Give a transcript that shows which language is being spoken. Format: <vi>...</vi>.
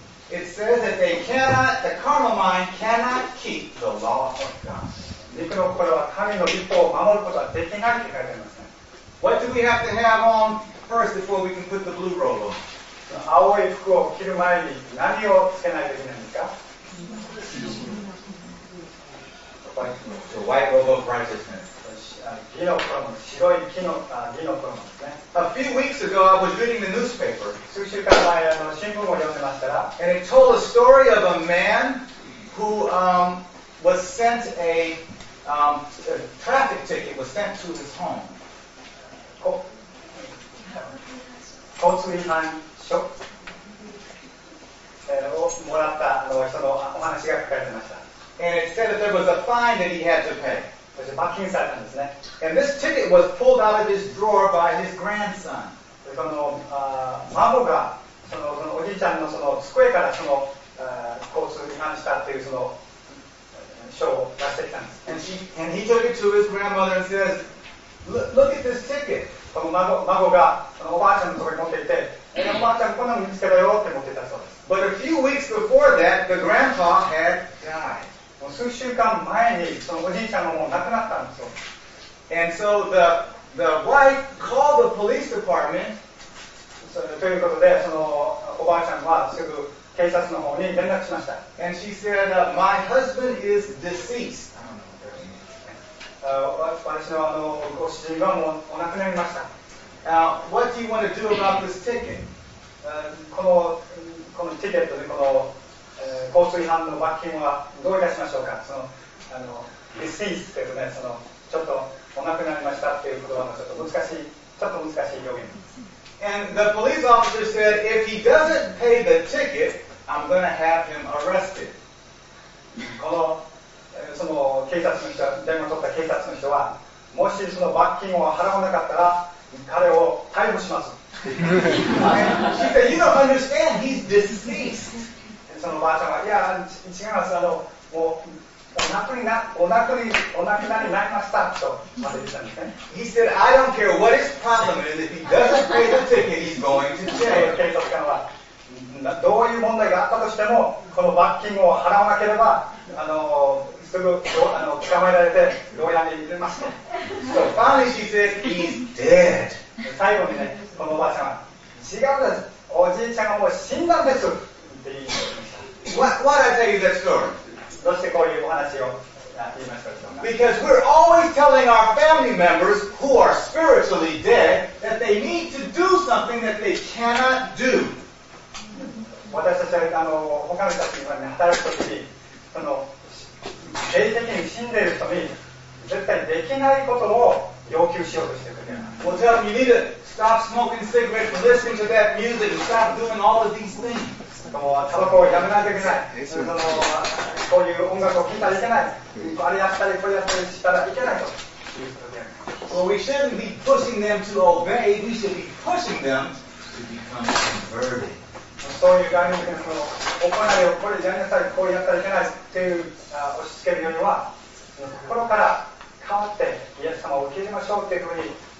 <en>It says that they cannot, the carnal mind cannot keep the law of God.</en> <ja>肉の心は神の律法を守ることはできないって書いてありますね。</ja> <en>What do we have to have on first before we can put the blue robe on?</en> <ja>青い服を着る前に何をつけないといけないんですか？</ja> <en>The white robe of righteousness.</en> <ja>義の衣、白い木の義の衣ですね。</ja> <en>A few weeks ago, I was reading the newspaper.</en> <ja>数週間前、新聞を読んでましたら、</ja> <en>and it told a story of a man who was sent a traffic ticket was sent to his home.</en> <ja>交通違反書をもらった人のお話が書かれてました。</ja> <en>And it said that there was a fine that he had to pay.</en> <ja>そして罰金されたんですね。</ja> <en>And this ticket was pulled out of his drawer by his grandson.</en> <ja>その孫がそのおじいちゃんのその机からその交通違反したっていうその書を出してきたんです。</ja> <en>And he took it to his grandmother and says, look at this ticket.</en> <ja>この孫がそのおばあちゃんのところに持っていて、おばあちゃんこんなの見つけたよって持っていたそうです。</ja> <en>But a few weeks before that, the grandpa had died.</en> <ja>数週間前にそのおじいちゃんがもう亡くなったんですよ。</ja> <en>And so the wife called the police department.</en> <ja>ということで、そのおばあちゃんはすぐ警察の方に連絡しました。</ja> <en>And she said, my husband is deceased.</en> <ja>私のご主人はもうお亡くなりました。</ja> <en>Now, what do you want to do about this ticket?</en> <ja>このティケットで、この交通違反の罰金はどういたしましょうか。 deceased というね、そのちょっとお亡くなりましたっていう言葉のちょっと難しい表現です。</ja> <en>And the police officer said, if he doesn't pay the ticket, I'm going to have him arrested.</en> <ja>このその警察の人は、電話を取った警察の人は、もしその罰金を払わなかったら、彼を逮捕します。</ja> <en>She said, you don't understand, he's deceased.</en> <ja>そのばあちゃんは、いや、違います、あの、もう、お亡くなりになりました、と、まで言ったんですね。</ja> <en>He said, I don't care what his problem is, if he doesn't pay the ticket, he's going to jail.</en> <ja>警察官は、どういう問題があったとしても、この罰金を払わなければ、すぐ捕まえられて、牢屋に入れますと。</ja> <en>So finally she says, he's dead.</en> <ja>最後にね、このおばあちゃんは、違うんです。おじいちゃんがもう死んだんです。って言いました。</ja> <en>Why did I tell you that story?</en> <ja>どうしてこういうお話を言いましたでしょうか?</ja> <en>Because we're always telling our family members who are spiritually dead that they need to do something that they cannot do.</en> <ja>私たちは他の人たちに働くときに、その、霊的に死んでいる人に絶対できないことを要求しようとしてくれる。</ja> <en>We'll tell them you need to stop smoking cigarettes and listening to that music and stop doing all of these things.</en> <ja>もうタバコをやめないといけない。その、こういう音楽を聴いたらいけない。あれやったり、これやったりしたらいけないと。</ja> <en>So we shouldn't be pushing them to obey, we should be pushing them to become converted.</en> <ja>そういう概念で、その、行いをこれやめなさい、こうやったらいけないっていう押し付けるよりは、心から変わって、イエス様を受け入れましょうっていうふうに、</ja>